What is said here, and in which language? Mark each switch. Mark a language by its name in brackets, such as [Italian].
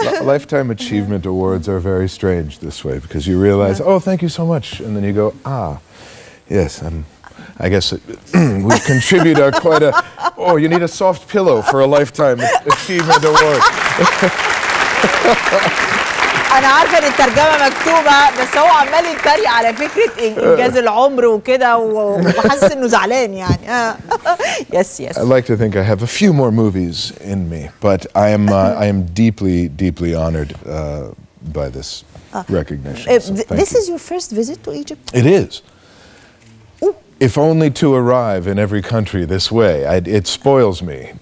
[English] Lifetime achievement awards are very strange this way because you realize, oh, thank you so much, and then you go, ah, yes, and I guess we contribute our quite a. Oh, you need a soft pillow for a lifetime achievement award. [Arabic] انا عارفة ان الترجمة مكتوبة بس هو عمال يتريق على فكرة انجاز العمر وكده وحاسس انه زعلان يعني. [English] Yes. I'd like to think I have a few more movies in me, but I am deeply, deeply honored by this recognition. This is your first visit to Egypt? It is. If only to arrive in every country this way, it spoils me.